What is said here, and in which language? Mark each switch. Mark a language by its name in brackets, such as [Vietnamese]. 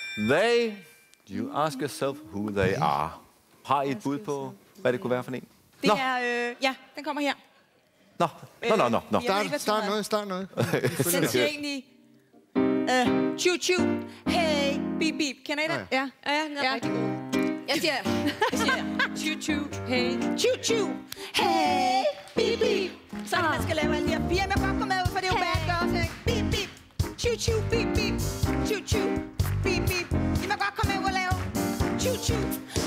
[English] They, you ask yourself who they are. [Danish] Har I et bud på, hvad det kunne være for en? Det er, ja, den kommer her. Nå, nå, nå, nå. Nå. Start noget. Den siger egentlig, choo-choo, hey, beep-beep. Kan I det? Ja, ja, ja. Jeg siger, choo-choo, hey, choo-choo, hey, beep-beep. Så man skal lave alle de her fire, men jeg bare kommer med, for det er jo bad girls. Beep-beep, choo-choo, beep-beep, choo-choo, beep-beep. Jeg må godt komme med og lave choo-choo.